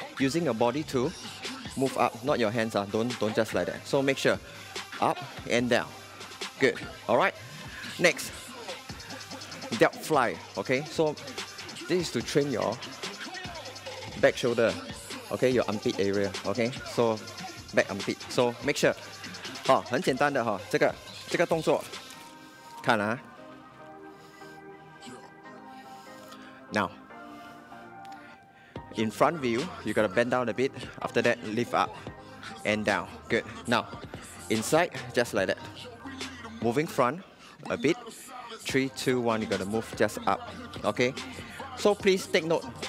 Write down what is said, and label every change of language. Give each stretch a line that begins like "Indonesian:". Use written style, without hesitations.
English: Using your body to move up, not your hands, don't just like that. So make sure, up and down. Good, all right? Next, delt fly, okay? So this is to train your back shoulder, okay? Your armpit area, okay? So back armpit, so make sure.
Chinese: 很简单的, 这个动作, 看啊。
English: Now, in front view, you gotta bend down a bit. After that, lift up and down. Good. Now, inside, just like that. Moving front a bit. 3, 2, 1, you gotta move just up. Okay? So please take note.